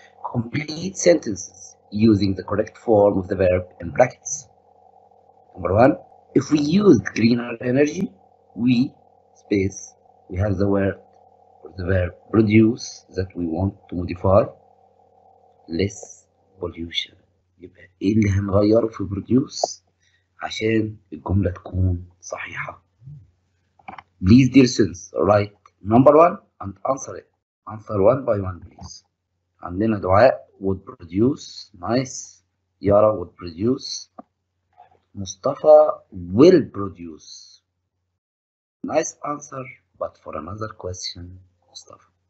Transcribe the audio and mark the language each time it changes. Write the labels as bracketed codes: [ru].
[en] Complete sentences using the correct form of the verb in brackets. Number one, if we use greener energy, we space, we have the word or the verb produce that we want to modify, less pollution. [ar] يبقى ايه اللي هنغيره في produce عشان الجملة تكون صحيحة. [en] Please, dear students, write number one and answer it. Answer one by one, please. [ar] عندنا [en] دعاء would produce, nice. يارا would produce. مصطفى will produce. Nice answer, but for another question, مصطفى.